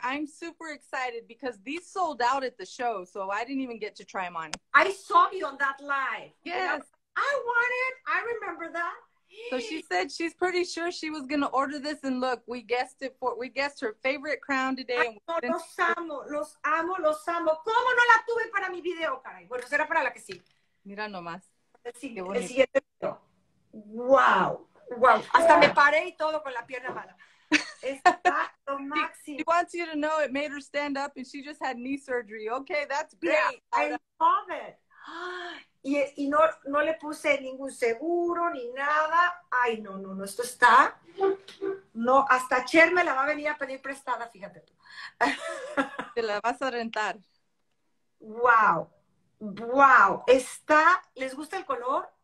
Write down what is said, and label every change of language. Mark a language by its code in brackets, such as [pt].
[en] I'm super excited because these sold out at the show, so I didn't even get to try them on. I saw you on that live. Yes. I want it. I remember that. So she said she's pretty sure she was going to order this. And look, we guessed her favorite crown today. [es] Los amo. ¿Cómo no la tuve para mi video, caray? Bueno, será para la que sí. Mira nomás. El siguiente video. Wow. Hasta me paré y todo con la pierna mala. Está lo máximo. [en] She wants you to know it made her stand up and she just had knee surgery. Okay, that's great. Yeah, I love it. [es] Y no le puse ningún seguro ni nada. Ay, no, esto está. No, hasta Cher me la va a venir a pedir prestada, fíjate tú. Te la vas a rentar. Wow. Está, ¿les gusta el color?